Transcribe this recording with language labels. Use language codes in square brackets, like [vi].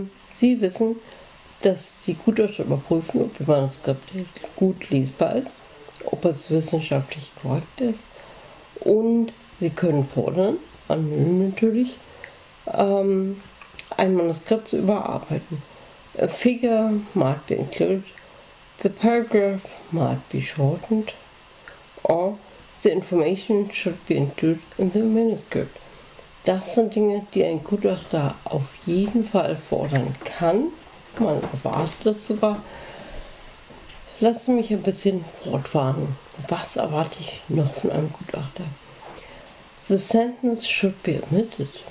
[de] Sie wissen, dass die Gutachter überprüfen, ob Ihr Manuskript gut lesbar ist, ob es wissenschaftlich korrekt ist. Und Sie können fordern, anonym natürlich, ein Manuskript zu überarbeiten. [en] A figure might be included, the paragraph might be shortened, or the information should be included in the manuscript. [de] Das sind Dinge, die ein Gutachter auf jeden Fall fordern kann. Man erwartet das sogar. Lassen Sie mich ein bisschen fortfahren. Was erwarte ich noch von einem Gutachter? [en] The sentence should be omitted.